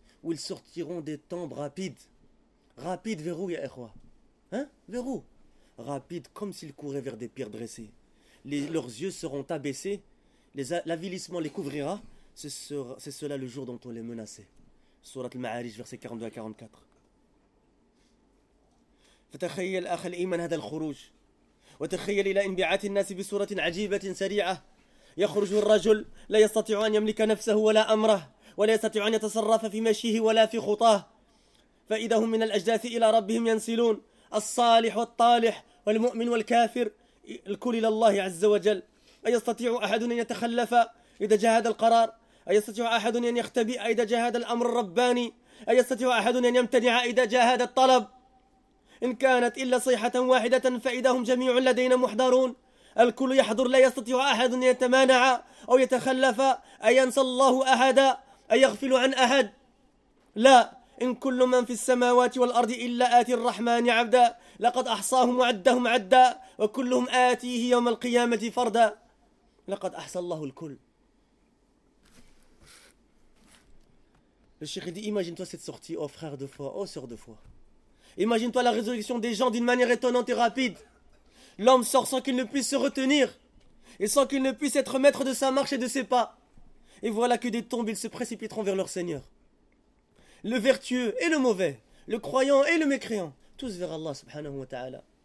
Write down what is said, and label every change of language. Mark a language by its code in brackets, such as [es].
[fr] Où ils sortiront des tombes rapides. Rapides vers où, ya ikhwa? Hein? Vers où? Rapides comme s'ils couraient vers des pierres dressées. Leurs yeux seront abaissés, l'avilissement les couvrira. C'est cela le jour dont on les menaçait. Surat al-Ma'arij, verset 42 à 44. [ar] فتخيل أخ الإيمان هذا الخروج وتخيل إلى انبعاث الناس بصورة عجيبة سريعة يخرج الرجل لا يستطيع أن يملك نفسه ولا أمره ولا يستطيع أن يتصرف في مشيه ولا في خطاه فإذا هم من الأجداث إلى ربهم ينسلون الصالح والطالح والمؤمن والكافر الكل إلى الله عز وجل أيستطيع أحد أن يتخلف إذا جاء هذا القرار أيستطيع أحد أن يختبئ إذا جاء هذا الأمر الرباني أيستطيع أحد أن يمتنع إذا جاء هذا الطلب إن كانت إلا صيحة واحدة فإذا هم جميع لدينا محضرون الكل يحضر لا يستطيع أحد أن يتمانع أو يتخلف أينسى الله أحدا أيغفل عن أحد لا إن كل من في السماوات والأرض إلا آتي الرحمن عبدا لقد أحصاهم وعدهم عدا وكلهم آتيه يوم القيامة فردا لقد أحصى الله الكل. [fr] الشيخ دي imagine toi cette sortie, oh frère de foi, oh sœur de foi. Imagine-toi la résurrection des gens d'une manière étonnante et rapide. L'homme sort sans qu'il ne puisse se retenir et sans qu'il ne puisse être maître de sa marche et de ses pas. Et voilà que des tombes, ils se précipiteront vers leur Seigneur. Le vertueux et le mauvais, le croyant et le mécréant, tous vers Allah subhanahu wa ta'ala.